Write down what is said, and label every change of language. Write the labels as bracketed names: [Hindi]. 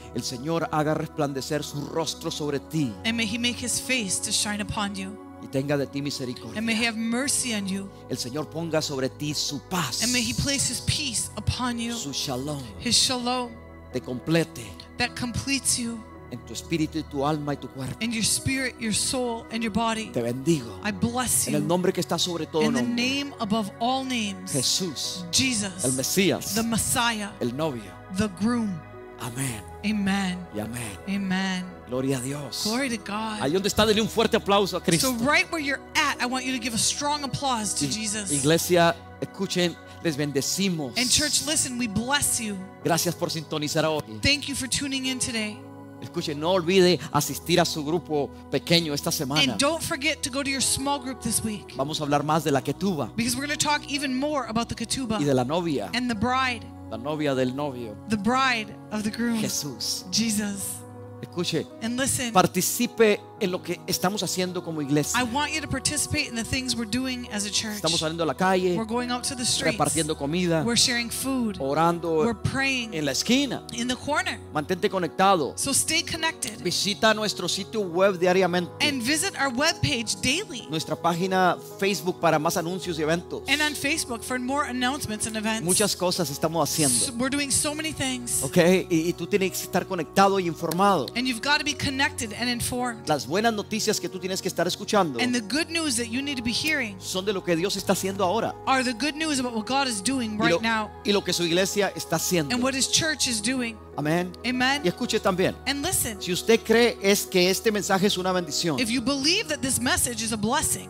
[Spanish] El Señor haga resplandecer su rostro sobre ti. [English] And may he make his face to shine upon you. [Spanish] y tenga de ti misericordia. [English] And may he have mercy on you. [Spanish] El Señor ponga sobre ti su paz. [English] And may he place his peace upon you. [Spanish] Su shalom. [English] His shalom. [Spanish] Te complete. [English] That completes you. [Spanish] En tu espíritu y tu alma y tu cuerpo. [English] In your spirit, your soul, and your body. [Spanish] Te bendigo. [English] I bless you. [Spanish] En el nombre que está sobre todo nombre. [English] In the name above all names. [Spanish] Jesús. [English] Jesus. [Spanish] El Mesías. [English] The Messiah. [Spanish] El novio. [English] The groom. [Spanish] Amén. [English] Amen. [Spanish] Y amén. [English] Amen. [Spanish] Gloria a Dios. [English] Glory to God. [Spanish] Ahí donde está, dele un fuerte aplauso a Cristo. [English] So right where you're at, I want you to give a strong applause to Jesus. [Spanish] Iglesia, escuchen, les bendecimos. [English] And church, listen, we bless you. [Spanish] Gracias por sintonizar hoy. [English] Thank you for tuning in today. [Spanish] Escuchen, no olvide asistir a su grupo pequeño esta semana. [English] And don't forget to go to your small group this week. [Spanish] Vamos a hablar más de la ketuba. [English] Because we're going to talk even more about the ketuba. [Spanish] Y de la novia. [English] And the bride. [Spanish] La novia del novio. [English] The bride of the groom. [Spanish] Jesús. [English] Jesus. [Spanish] Escuche. [English] And listen. [Spanish] Participe en lo que estamos haciendo como iglesia. [English] I want you to participate in the things we're doing as a church. [Spanish] Estamos saliendo a la calle. [English] We're going out to the streets. [Spanish] Repartiendo comida. [English] We're sharing food. [Spanish] Orando. [English] We're praying. [Spanish] En la esquina. [English] In the corner. [Spanish] Mantente conectado. [English] So stay connected. [Spanish] Visita nuestro sitio web diariamente. [English] And visit our webpage daily. [Spanish] Nuestra página Facebook para más anuncios y eventos. [English] And on Facebook for more announcements and events. [Spanish] Muchas cosas estamos haciendo. [English] We're doing so many things. [Spanish] Okay, y tú tienes que estar conectado y informado. [English] And you've got to be connected and informed. [Spanish] Las buenas noticias que tú tienes que estar escuchando son de lo que Dios está haciendo ahora. [English] Are the good news about what God is doing right now. [Spanish] Y lo que su iglesia está haciendo. [English] And what his church is doing. [Spanish] Amén. [English] Amen. [Spanish] Y escuche también. [English] And listen. [Spanish] Si usted cree es que este mensaje es una bendición. [English] If you believe that this message is a blessing.